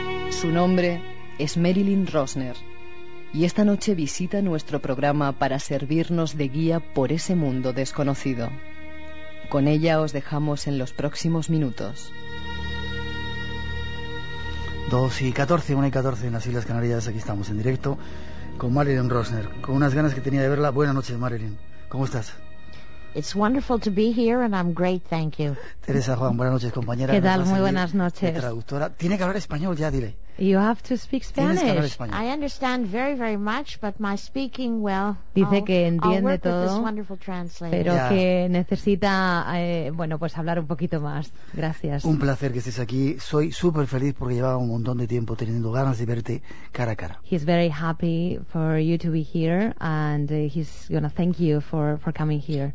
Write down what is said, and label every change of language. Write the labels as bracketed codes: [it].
[es] Su nombre es Marilyn Rosner y esta noche visita nuestro programa para servirnos de guía por ese mundo desconocido. Con ella os dejamos en los próximos minutos. 2:14, 1:14 en las Islas Canarias, aquí estamos en directo con Marilyn Rosner, con unas ganas que tenía de verla. Buenas noches, Marilyn, ¿cómo estás? [en] It's wonderful to be here and I'm great, thank you. [es] Teresa Juan, buenas noches, compañera. ¿Qué tal? Muy buenas noches. Traductora. Tiene que hablar español ya, dile. [en] You have to speak Spanish. [es] Tienes que hablar español. [en] I understand very, very much, but my speaking, well, [es] dice que entiende [en] I'll work [es] todo, [en] with this wonderful translator. [es] Pero yeah, que necesita, bueno, pues hablar un poquito más. Gracias. Un placer que estés aquí. Soy súper feliz porque llevaba un montón de tiempo teniendo ganas de verte cara a cara. [en] He's very happy for you to be here and he's going to thank you for coming here.